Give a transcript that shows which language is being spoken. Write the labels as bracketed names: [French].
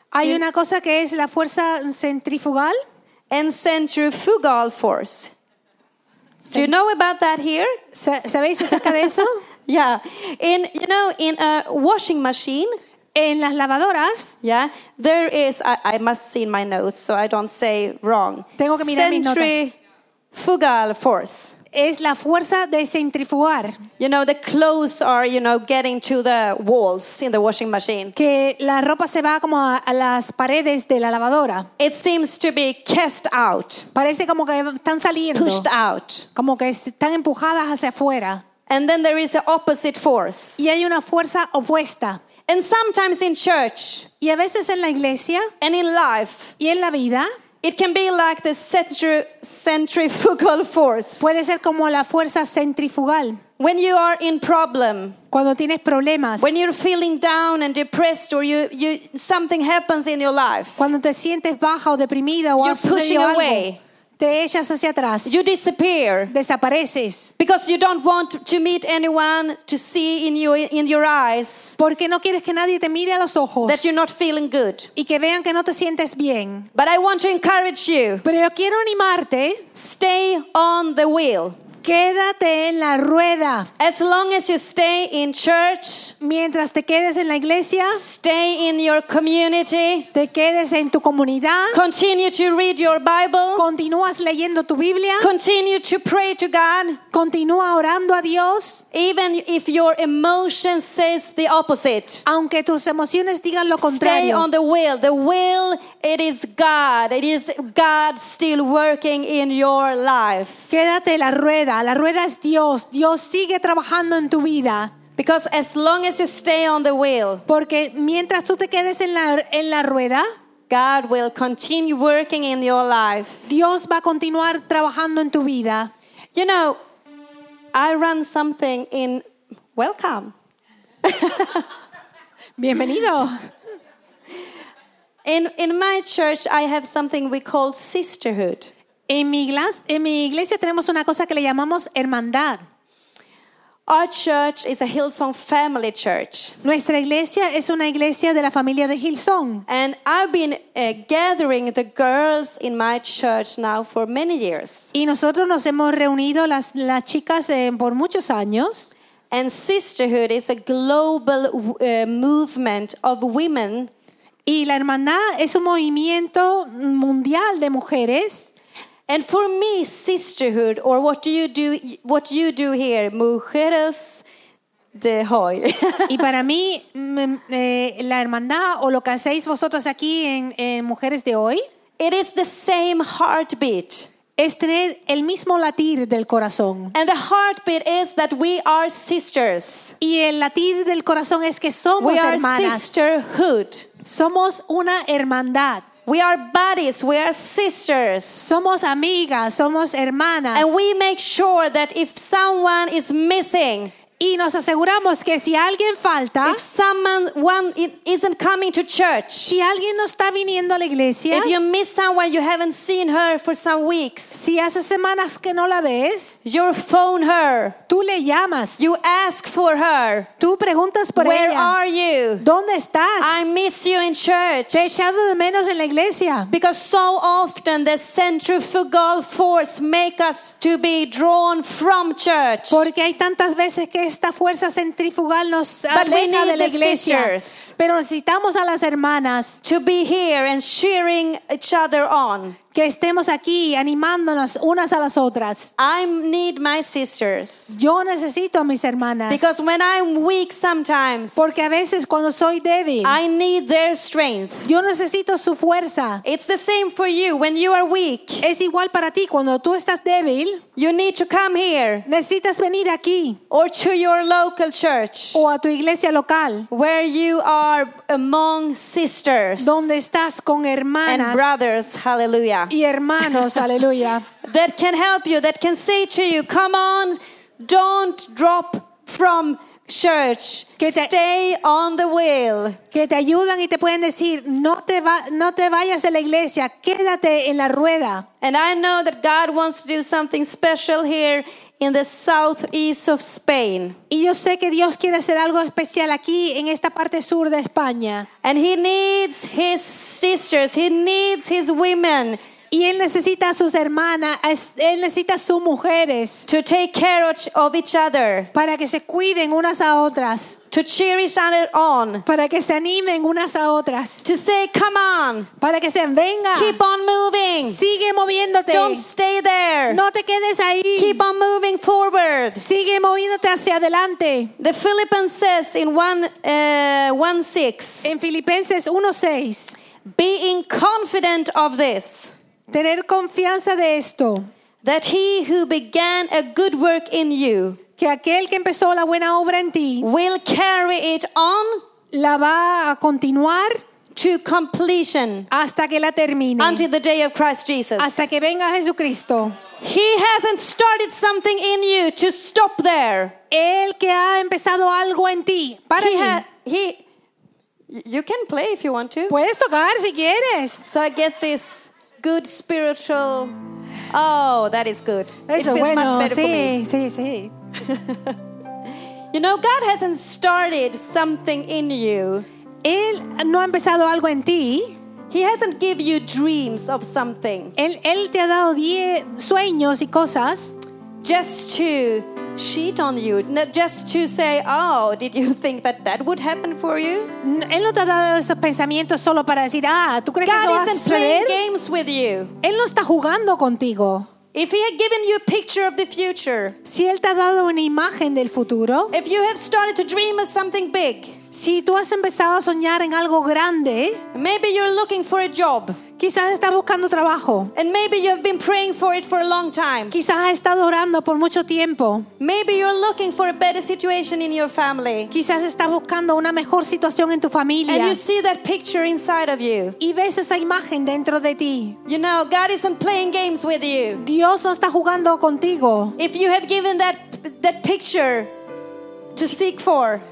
[Spanish] Hay una cosa que es la fuerza centrifugal. [English] And centrifugal force. Do you know about that here? [Spanish] ¿Sabéis acerca de eso? [English] Yeah. In a washing machine. [Spanish] En las lavadoras. [English] Yeah. There is, I must see my notes so I don't say wrong. [Spanish] Tengo que mirar mis notas. [English] Centrifugal force. [Spanish] Es la fuerza de centrifugar. [English] You know, the clothes are, you know, getting to the walls in the washing machine. [Spanish] Que la ropa se va como a las paredes de la lavadora. [English] It seems to be cast out. [Spanish] Parece como que están saliendo. [English] Pushed out. [Spanish] Como que están empujadas hacia afuera. [English] And then there is an opposite force. [Spanish] Y hay una fuerza opuesta. [English] And sometimes in church. [Spanish] Y a veces en la iglesia. [English] And in life. [Spanish] Y en la vida. [English] It can be like the centrifugal force. [Spanish] Puede ser como la fuerza centrifugal. [English] When you are in problem. [Spanish] Cuando tienes problemas. [English] When you're feeling down and depressed or you something happens in your life. [Spanish] Cuando te sientes baja o deprimida o [English] you're pushing away. [Spanish] Te echas hacia atrás. [English] You disappear. [Spanish] Desapareces. [English] Because you don't want to meet anyone to see in your eyes. [Spanish] Porque no quieres que nadie te mire a los ojos. [English] That you're not feeling good. [Spanish] Y que vean que no te sientes bien. [English] But I want to encourage you. [Spanish] Pero yo quiero animarte. [English] Stay on the wheel. [Spanish] Quédate en la rueda. [English] As long as you stay in church. [Spanish] Mientras te quedes en la iglesia. [English] Stay in your community. [Spanish] Te quedes en tu comunidad. [English] Continue to read your Bible. [Spanish] Continúas leyendo tu Biblia. [English] Continue to pray to God. [Spanish] Continúa orando a Dios. [English] Even if your emotion says the opposite. [Spanish] Aunque tus emociones digan lo contrario. [English] Stay on the wheel. The wheel, it is God. It is God still working in your life. [Spanish] Quédate en la rueda. La rueda es Dios. Dios sigue trabajando en tu vida. [English] Because as long as you stay on the wheel, [Spanish] porque mientras tú te quedes en la rueda, [English] God will continue working in your life. [Spanish] Dios va a continuar trabajando en tu vida. [English] You know, I run something in welcome. [Spanish] Bienvenido. [English] In my church, I have something we call sisterhood. [Spanish] En mi iglesia tenemos una cosa que le llamamos hermandad. [English] Our church is a Hillsong family church. [Spanish] Nuestra iglesia es una iglesia de la familia de Hillsong. [English] And I've been gathering the girls in my church now for many years. [Spanish] Y nosotros nos hemos reunido las chicas por muchos años. [English] And sisterhood is a global movement of women. [Spanish] Y la hermandad es un movimiento mundial de mujeres. [English] And for me, sisterhood, or what you do here, mujeres de hoy. [Spanish] Y para mí, la hermandad o lo que hacéis vosotros aquí en mujeres de hoy, [English] it is the same heartbeat. [Spanish] Es tener el mismo latir del corazón. [English] And the heartbeat is that we are sisters. [Spanish] Y el latir del corazón es que somos [English] we [Spanish] hermanas. [English] We are sisterhood. [Spanish] Somos una hermandad. [English] We are buddies, we are sisters. [Spanish] Somos amigas, somos hermanas. [English] And we make sure that if someone is missing, [Spanish] Y nos aseguramos que si alguien falta, [English] if someone isn't coming to church, [Spanish] si alguien no está viniendo a la iglesia, [English] if you miss someone you haven't seen her for some weeks, [Spanish] si hace semanas que no la ves, [English] you phone her, [Spanish] tú le llamas, [English] you ask for her, [Spanish] tú preguntas por [English] where [Spanish] ella, [English] where are you, [Spanish] dónde estás, [English] I miss you in church, [Spanish] te he echado de menos en la iglesia, [English] because so often the centrifugal force make us to be drawn from church, [Spanish] porque hay tantas veces que esta fuerza centrifugal nos aleja de la iglesia. Pero necesitamos a las hermanas [English] to be here and cheering each other on. [Spanish] Que estemos aquí animándonos unas a las otras. [English] I need my sisters. [Spanish] Yo necesito a mis hermanas. [English] Because when I'm weak sometimes, [Spanish] porque a veces cuando soy débil, [English] I need their strength. [Spanish] Yo necesito su fuerza. [English] It's the same for you when you are weak. [Spanish] Es igual para ti cuando tú estás débil. [English] You need to come here. [Spanish] Necesitas venir aquí. [English] Or to your local church. [Spanish] O a tu iglesia local. [English] Where you are among sisters. [Spanish] Donde estás con hermanas. [English] And brothers, hallelujah. [Spanish] Y hermanos, aleluya. [English] That can help you, that can say to you, come on, don't drop from church. Stay on the wheel. [Spanish] Que te ayudan y te pueden decir, no te vayas de la iglesia, quédate en la rueda. [English] And I know that God wants to do something special here in the southeast of Spain. [Spanish] Y yo sé que Dios quiere hacer algo especial aquí en esta parte sur de España. [English] And he needs his sisters, he needs his women. [Spanish] Y él necesita a sus hermanas, él necesita a sus mujeres. [English] To take care of each other. [Spanish] Para que se cuiden unas a otras. [English] To cheer each other on. [Spanish] Para que se animen unas a otras. [English] To say, come on. [Spanish] Para que se venga. [English] Keep on moving. [Spanish] Sigue moviéndote. [English] Don't stay there. [Spanish] No te quedes ahí. [English] Keep on moving forward. [Spanish] Sigue moviéndote hacia adelante. [English] The Philippians says in 1:6. [Spanish] En Filipenses 1:6. [English] Being confident of this. [Spanish] Tener confianza de esto. [English] That he who began a good work in you. [Spanish] Que aquel que empezó la buena obra en ti. [English] Will carry it on. [Spanish] La va a continuar. [English] To completion. [Spanish] Hasta que la termine. [English] Until the day of Christ Jesus. [Spanish] Hasta que venga Jesucristo. [English] He hasn't started something in you to stop there. [Spanish] El que ha empezado algo en ti. Para [English] he. You can play if you want to. [Spanish] Puedes tocar si quieres. [English] So I get this. Good spiritual. Oh, that is good. [Spanish] Eso, [English] it feels [Spanish] bueno, [English] much better [Spanish] sí, [English] for me. [Spanish] Sí, sí. [English] You know, God hasn't started something in you. [Spanish] Él no ha empezado algo en ti. [English] He hasn't given you dreams of something. [Spanish] Él te ha dado 10 sueños y cosas. [English] Just to cheat on you. Just to say, oh, did you think that that would happen for you? [Spanish] Él no te ha dado esos pensamientos solo para decir, ah, ¿tú crees que eso va a suceder? [English] God isn't playing games with you. [Spanish] Él no está jugando contigo. [English] If he had given you a picture of the future. [Spanish] Si él te ha dado una imagen del futuro. [English] If you have started to dream of something big. [Spanish] Si tú has empezado a soñar en algo grande. [English] Maybe you're looking for a job. [Spanish] Quizás estás buscando trabajo. [English] And maybe you've been praying for it for a long time. [Spanish] Quizás has estado orando por mucho tiempo. [English] Maybe you're looking for a better situation in your family. [Spanish] Quizás estás buscando una mejor situación en tu familia. [English] And you see that picture inside of you. [Spanish] Y ves esa imagen dentro de ti. [English] You know, God isn't playing games with you. [Spanish] Dios no está jugando contigo. [English] If you have given that picture to seek for.